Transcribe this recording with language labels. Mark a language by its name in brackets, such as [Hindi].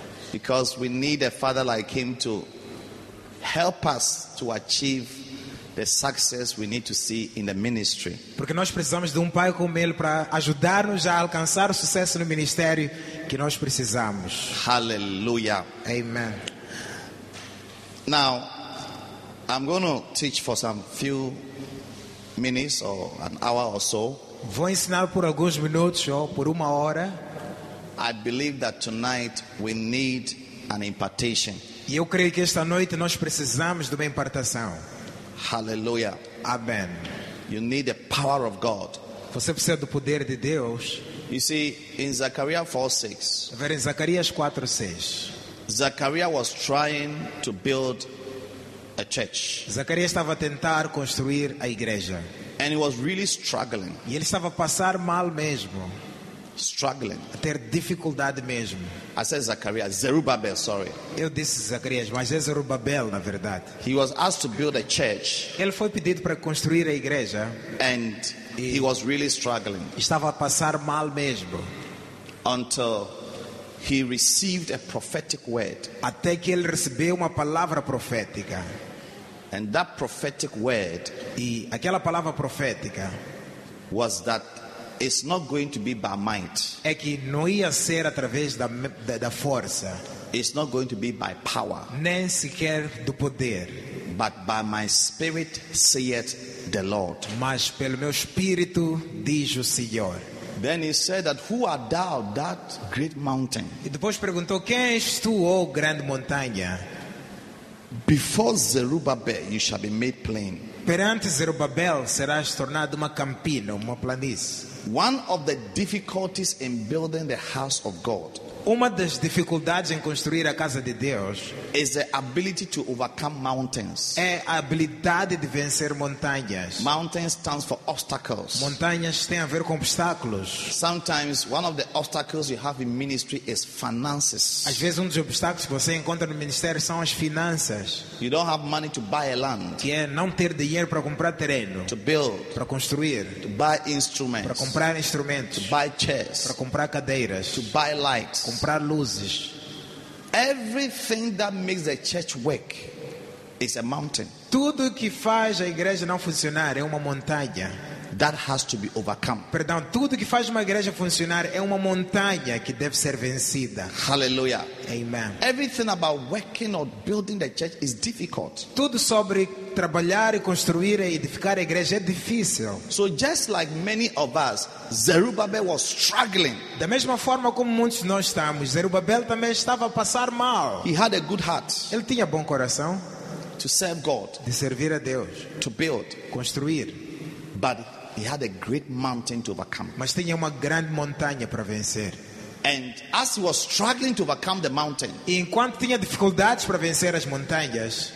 [English] Because we need a father like him to help us to achieve the success we need to see in the ministry. [Portuguese] Porque nós precisamos de pai como ele para ajudar-nos a alcançar o sucesso no ministério que nós precisamos. [English] Hallelujah. Amen. Now, I'm going to teach for some few minutes or an hour or so. [Portuguese] Vou ensinar por alguns minutos ou por uma hora. [English] I believe that tonight we need an impartation. [Portuguese] E eu creio que esta noite nós precisamos de uma impartação. [English] Hallelujah. Amen. You need the power of God. [Portuguese] Você precisa do poder de Deus. [English] You see, in Zechariah 4:6. [Portuguese] Ver em Zacarias 4:6. [English] Zechariah was trying to build a church. [Portuguese] Zacarias estava a tentar construir a igreja. [English] And he was really struggling. [Portuguese] E ele estava a passar mal mesmo. [English] Struggling. [Portuguese] A ter dificuldade mesmo. [English] I said Zechariah, Zerubbabel, sorry. [Portuguese] Eu disse Zacarias, mas é Zerubbabel na verdade. [English] He was asked to build a church. [Portuguese] Ele foi pedido para construir a igreja. [English] And he was really struggling. [Portuguese] Estava a passar mal mesmo. [English] Until he received a prophetic word. [Portuguese] Até que ele recebeu uma palavra profética. [English] And that prophetic word, [Portuguese] e aquela palavra profética, [English] was that it's not going to be by might. [Portuguese] É que não ia ser através da força. [English] It's not going to be by power. [Portuguese] Nem sequer do poder. [English] But by my spirit saith the Lord. [Portuguese] Mas pelo meu espírito diz o Senhor. [English] Then he said that who art thou, that great mountain? [Portuguese] E depois perguntou quem és tu, ó grande montanha? [English] Before Zerubbabel you shall be made plain. [Portuguese] Perante Zerubbabel serás tornado uma campina, uma planície. [English] One of the difficulties in building the house of God. [Portuguese] Uma das dificuldades em construir a casa de Deus [English] is the ability to overcome mountains. [Portuguese] É a habilidade de vencer montanhas. [English] Mountains stands for obstacles. [Portuguese] Montanhas têm a ver com obstáculos. [English] Sometimes one of the obstacles you have in ministry is finances. [Portuguese] Às vezes dos obstáculos que você encontra no ministério são as finanças. [English] You don't have money to buy a land. [Portuguese] Que é não ter dinheiro para comprar terreno. [English] To build. [Portuguese] Para construir. [English] To buy instruments. [Portuguese] Para comprar instrumentos. [English] To buy chairs. [Portuguese] Para comprar cadeiras. [English] To buy lights. [Portuguese] Comprar luzes. [English] Everything that makes the church work is a mountain. [Portuguese] Tudo que faz a igreja não funcionar é uma montanha. [English] that has to be overcome. [Portuguese] Perdão, tudo que faz uma igreja funcionar é uma montanha que deve ser vencida. [English] Hallelujah. Amen. Everything about working or building the church is difficult. [Portuguese] Tudo sobre trabalhar e construir e edificar a igreja é difícil. [English] So just like many of us, Zerubbabel was struggling. [Portuguese] Da mesma forma como muitos nós estamos, Zerubbabel também estava a passar mal. [English] He had a good heart. [Portuguese] Ele tinha bom coração. [English] To serve God. [Portuguese] De servir a Deus. [English] To build. [Portuguese] Construir. [English] But he had a great mountain to overcome. [Portuguese] Mas tinha uma grande montanha para vencer. [English] And as he was struggling to overcome the mountain, [Portuguese] e enquanto tinha dificuldades para vencer as montanhas,